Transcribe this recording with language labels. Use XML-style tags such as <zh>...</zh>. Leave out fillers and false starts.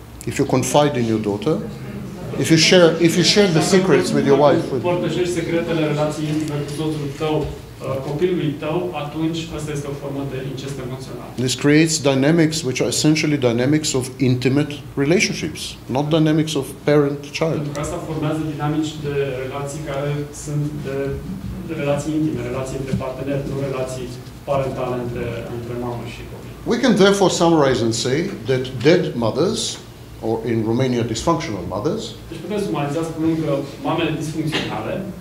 <en>if you confide in your daughter, if you share the secrets with your wife,</en> <ro>with împărtășești secretele relației intime cu soțul tău, copilului tău, atunci asta este o formă de incest emoțional.</ro> <en>This creates dynamics which are essentially dynamics of intimate relationships, not dynamics of parent-child.</en> <ro>Pentru că asta formează dinamici de relații care sunt de relații intime, relații între parteneri, nu relații parentale între mamă și copil.</ro> <en>We can therefore summarize and say that dead mothers, or in Romania, dysfunctional mothers,</en> <ro>deci putem sumariza spunând că mamele disfuncționale</ro>